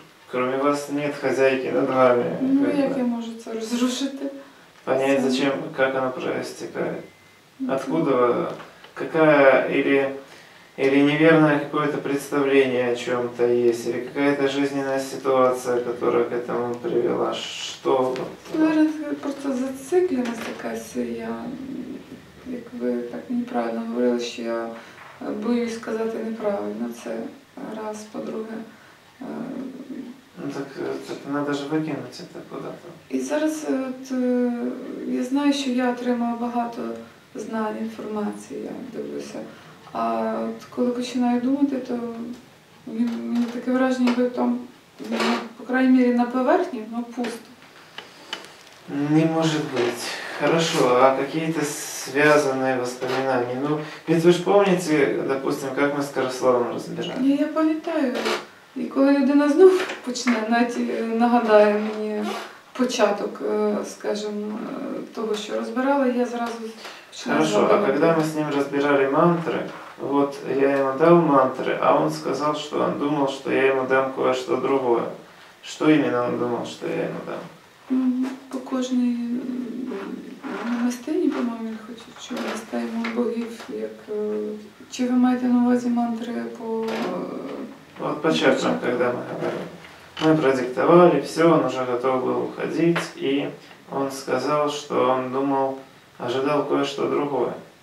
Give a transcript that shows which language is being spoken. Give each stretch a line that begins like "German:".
Russian: Кроме вас нет хазяйки над вами.
Ukrainian: Ну як я можу це розрушити?
Russian: Понять, зачем, как оно проистекает, откуда, какая или неверное какое-то представление о чем-то есть, или какая-то жизненная ситуация, которая к этому привела, что? Наверное, просто зацикленность такая, я, как вы так неправильно говорили, что я боюсь сказать неправильно, это раз, по-друге.
Ukrainian: Ну так треба ж викинути це куди-то. І зараз от, я знаю, що я отримала багато знань, інформації, я дивлюся. А от, коли починаю думати, то мені таке враження, ніби там, по крайній мірі, на поверхні, воно пусто. Не може бути. Хорошо, а якісь зв'язані воспоминання? Ну, ви ж пам'ятаєте, допустим, як ми з Карасловом розбирали? Ні, я пам'ятаю. І коли людина знов почне, навіть нагадає мені початок, скажімо, того, що розбирала, я зразу починаю. Хорошо, а коли ми з ним розбирали мантри, от я йому дав мантри, а він сказав, що він думав, що я йому дам
Russian: кое-что другое.
Ukrainian: Що іменно він думав, що я йому дам? По кожній намистині, по-моєму, я хочу, що ми ставимо богів, як... Чи ви маєте на увазі мантри по...
Russian: Вот по чертам, когда мы говорим. Мы продиктовали, все, он уже готов был уходить, и он сказал, что он думал, ожидал кое-что другое.